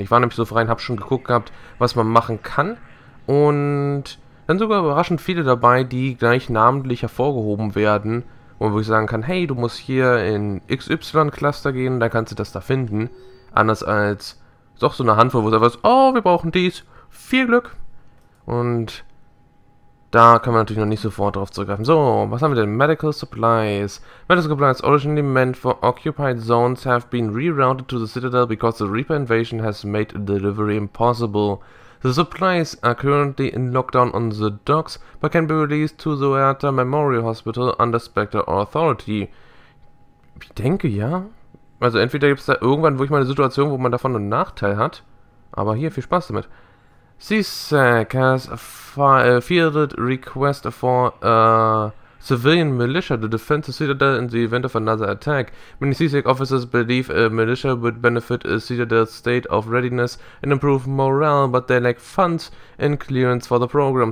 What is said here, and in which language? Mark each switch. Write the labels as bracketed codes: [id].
[de] Ich war nämlich so frei und habe schon geguckt gehabt, was man machen kann. Und dann sogar überraschend viele dabei, die gleich namentlich hervorgehoben werden, wo man wirklich sagen kann, hey, du musst hier in XY-Cluster gehen, da kannst du das da finden. Anders als doch so eine Handvoll, wo es einfach ist, oh, wir brauchen dies, viel Glück. Und da kann man natürlich noch nicht sofort drauf zurückgreifen. So, was haben wir denn? Medical Supplies. [en] Medical Supplies originally meant for occupied zones have been rerouted to the Citadel because the Reaper invasion has made delivery impossible. The supplies are currently in lockdown on the docks, but can be released to the Zoeata Memorial Hospital under Spectre Authority. [de] Ich denke, ja. Also entweder gibt es da irgendwann wirklich mal eine Situation, wo man davon einen Nachteil hat. Aber hier, viel Spaß damit. [en] CSAC has fielded request for a civilian militia to defend the Citadel in the event of another attack. Many CSAC officers believe a militia would benefit a Citadel's state of readiness and improve morale, but they lack funds and clearance for the program.